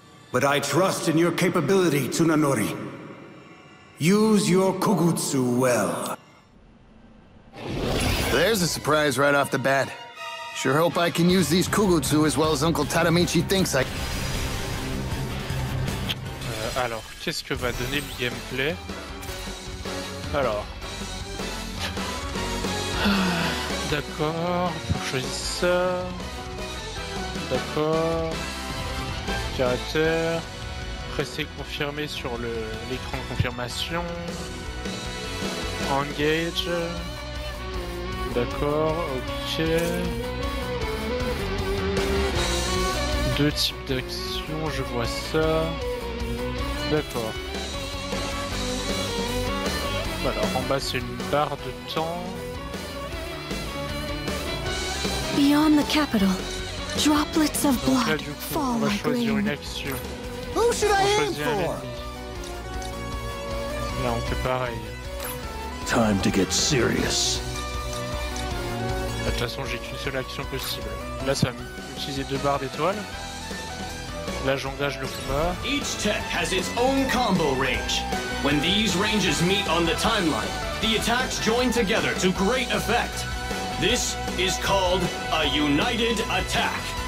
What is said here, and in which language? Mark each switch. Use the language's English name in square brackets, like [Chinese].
[English] But I trust in your capability, Tsunanori. Use your Kugutsu well. There's a surprise right off the bat. Sure hope I can use these Kugutsu as well as Uncle Tadamichi thinks I can. [French] Alors, qu'est-ce que va donner le gameplay? Alors. D'accord, on choisit ça. D'accord. Caractère. Pressez confirmer sur l'écran confirmation. Engage. D'accord, ok. Deux types d'actions, je vois ça. D'accord. Alors en bas c'est une barre de temps. [English] Beyond the capital, droplets of blood fall like rain. [French] On va choisir une action. [English] Who should I aim for? [French] Là on fait pareil. [English] Time to get serious. [French] De toute façon j'ai qu'une seule action possible. Là ça va utiliser deux barres d'étoiles. Là j'engage le combat. [English] Each tech has its own combo range. When these ranges meet on the timeline, the attacks join together to great effect. This is called a united attack.